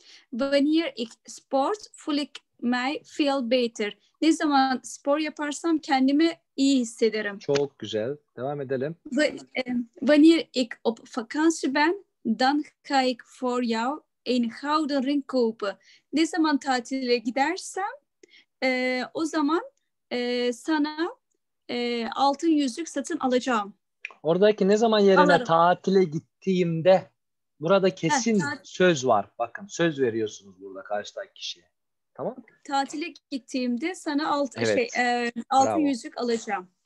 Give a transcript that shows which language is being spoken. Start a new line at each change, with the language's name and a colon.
Dutch: Wanneer ik sport voel ik mij veel beter.
Turkish: Ne zaman spor yaparsam kendimi iyi hissederim. Çok güzel. Devam edelim.
Dutch: Wanneer ik op vakantie ben, dan ga ik voor jou een gouden ring kopen.
Turkish: Ne zaman tatile gidersem, o zaman sana altın yüzük satın alacağım. Oradaki ne zaman yerine alırım. Tatile gittiğimde burada kesin söz var. Bakın söz veriyorsunuz burada karşıdaki kişiye. Tamam? Tatile gittiğimde sana altın yüzük alacağım.